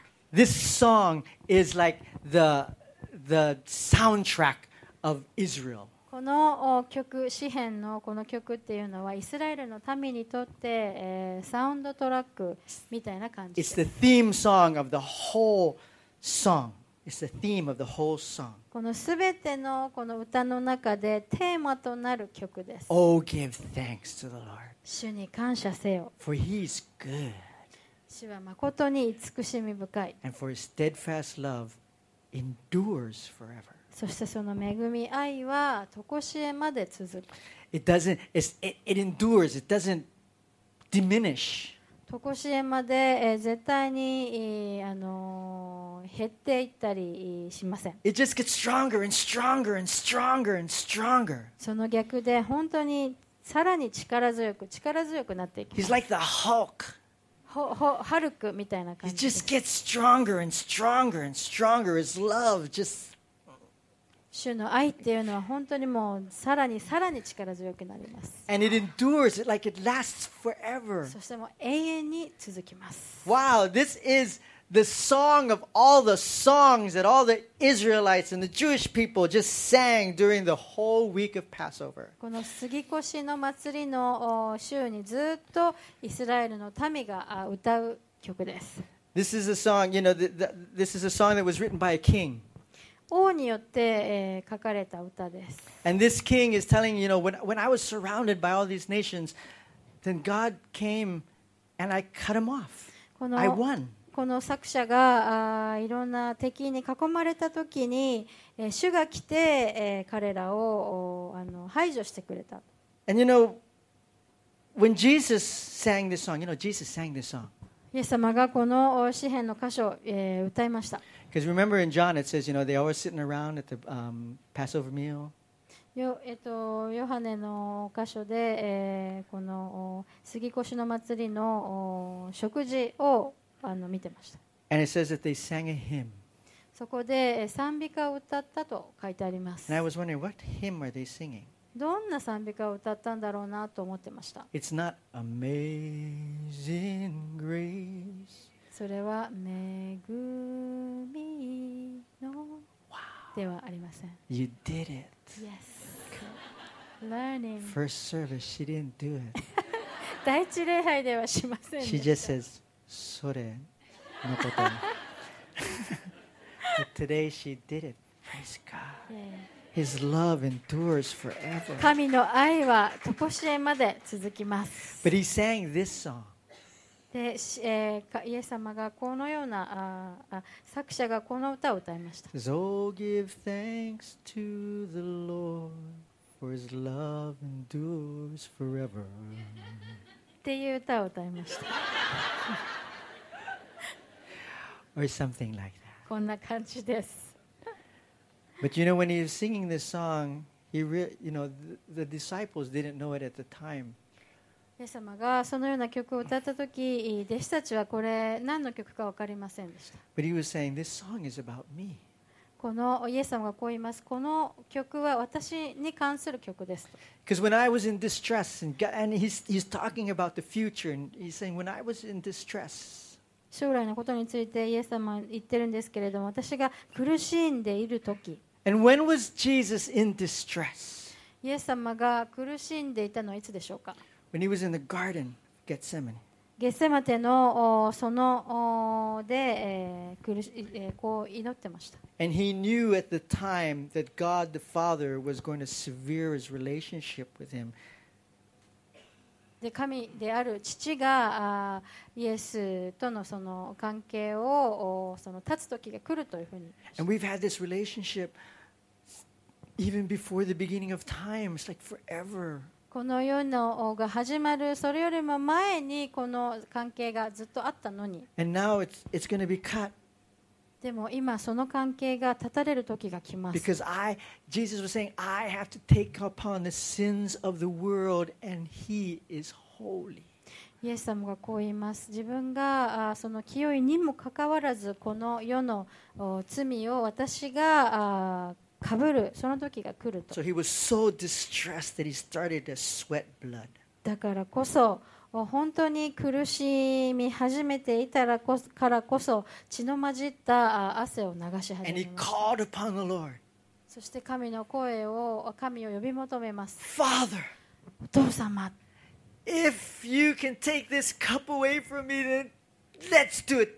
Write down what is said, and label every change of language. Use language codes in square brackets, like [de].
[en] This song is like the soundtrack of Israel. [ja] この曲詩編のこの曲っていうのはイスラエルの民にとって、サウンドトラックみたいな感じです。 [en] It's the theme song of the whole song. It's the theme of the whole song. [ja] このすべてのこの歌の中でテーマとなる曲です。 [en] Oh, give thanks to the Lord. [ja] 主に感謝せよ。 [en] For he is good. [ja] 主は誠に慈しみ深い。 [en] And for his steadfast love endures forever. [ja] そしてその恵み愛は常しえまで続く。 [en] It endures. It doesn't diminish. [ja] 常しえまで絶対に減っていったりしません。 [en] It just gets stronger and stronger and stronger and stronger. [ja] その逆で本当にさらに力強く力強くなっていきます。 [en] He's like the Hulk. [ja] ハルクみたいな感じ。 [en] It just gets stronger and stronger and stronger. His love just [ja] 主の愛っていうのは本当にもうさらにさらに力強くなります。 [en] And it endures, like it lasts forever. [ja] そしてもう永遠に続きます。 [en] Wow, this is the song of all the songs that all the Israelites and the Jewish people just sang during the whole week of Passover. [ja] この杉越の祭りの週にずっとイスラエルの民が歌う曲です。 [en] This is a song, you know, this is a song that was written by a king. [ja] 王によって、書かれた歌です。 [en] And this king is telling, you know, when I was surrounded by all these nations, then God came and I cut him off. I won. [ja] この作者がいろんな敵に囲まれた時に、主が来て、彼らを排除してくれた。 [en] And you know, when Jesus sang this song, you know, Jesus sang this song. [ja] イエス様がこの詩編の箇所を、歌いました。 [en] Because remember in John it says, you know, they always sitting around at the Passover meal. [ja] ヨハネの箇所で、この杉越の祭りの食事を見てました。 [en] And it says that they sang a hymn. [ja] そこで賛美歌を歌ったと書いてあります。 [en] And I was wondering, what hymn are they singing? [ja] どんな賛美歌を歌ったんだろうなと思ってました。 [en] It's not amazing grace. [ja] それは恵みのではありません。 [en] Wow. You did it. Yes. Learning. First service, she didn't do it. [ja] 第一礼拝ではしませんでした。 [en] She just says, [ja] それのこと。 [en] Today she did it. Praise God. Yeah. His love endures forever. [ja] 神の愛はとこしえまで続きます。 [en] But he sang this song. [ja] で、イエス様がこのような作者がこの歌を歌いました。 [en] So give thanks to the Lord for his love endures forever. [ja] っていう歌を歌いました。 [en] Or something like that. [ja] こんな感じです。 [en] But you know, when he was singing this song, he you know, the disciples didn't know it at the time. [ja] イエス様がそのような曲を歌った時、弟子たちはこれ何の曲か分かりませんでした。 [en] But he was saying, this song is about me. [ja] このイエス様がこう言います。この曲は私に関する曲です。 [en] Because when I was in distress, and he's talking about the future, and he's saying, when I was in distress, [ja] 将来のことについてイエス様は言ってるんですけれども、私が苦しんでいるとき、 [en] And when was Jesus in distress? [ja] イエス様が苦しんでいたのはいつでしょうか? [en] When he was in the garden of Gethsemane. [ja] ゲッセマテのそので、こう祈ってました。 [en] And he knew at the time that God the Father was going to sever his relationship with him. [ja] で神である父がイエスと の, その関係をその断つ時が来るというふうに。 [en] And we've had this relationship even before the beginning of time. It's like forever. [ja] この世のが始まるそれよりも前にこの関係がずっとあったのに。 [en] And now it's going to be cut. [ja] でも今その関係が断たれる時が来ます。 [en] Because Jesus was saying, I have to take upon the sins of the world, and He is holy. [ja] イエス様がこう言います。自分がその清いにもかかわらず、この世の罪を私がかぶる、その時が来ると。 [en] So he was so distressed that he started to sweat blood. [ja] だからこそ、本当に苦しみ始めていたからこそ、血の混じった汗を流し始めます。 [en] And he called upon the Lord. [ja] そして神の声を神を呼び求めます。 [en] Father, [ja] お父様、 [en] If you can take this cup away from me, then let's do it.